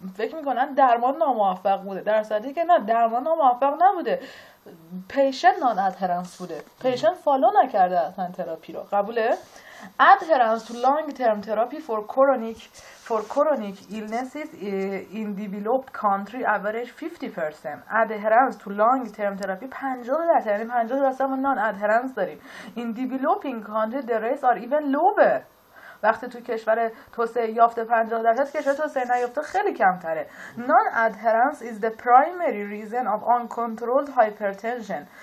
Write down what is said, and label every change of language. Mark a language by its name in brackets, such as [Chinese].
[Persian] فکر میکنن درمان ناموفق بوده، در صورتی که نه، درمان ناموفق نبوده، [English] patient non adherence [Persian] بوده، پیشن فالو نکرده اصلا تراپی رو. [English] قبوله؟ ادهرنس تو long term therapy for chronic illnesses in developed country average 50%. Adherence تو long term therapy 50%، یعنی 50% non adherence داریم. in developing country the rates are even lower. [Persian] وقتی تو کشور توسعه یافته 50%، کشور توسعه نیافته خیلی کمتره. [English] Non-adherence is the primary reason of uncontrolled hypertension.